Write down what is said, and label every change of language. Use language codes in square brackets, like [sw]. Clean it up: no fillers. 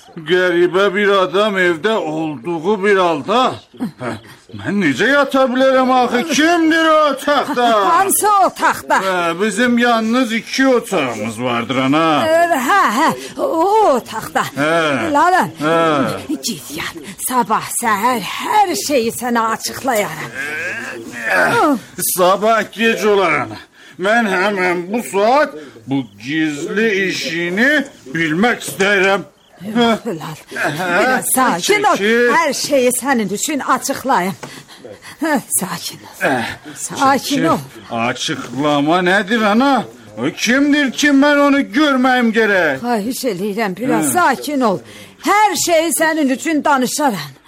[az] Qəribə bir adam evdə olduğu bir halda. Mən necə yata bilərəm axı? Kimdir o otaqda? Hansı otaqda? Bizim yalnız iki otağımız vardır ana. Hə, hə, o otaqda. Lala, gir yat. Sabah səhər hər şeyi sənə açıqlayaram. Sabah gec olar ana. Mən həmən bu saat bu gizli işini bilmək istəyirəm. Lal, biraz sakin ol. [tr] Her şeyi senin için açıklayayım. Sakin ol. Sakin ol. Açıklama nedir ana? O kimdir ki ben onu görmeyim gerek? Hayır, eliyle biraz sakin ol. Her şeyi senin için danışarım.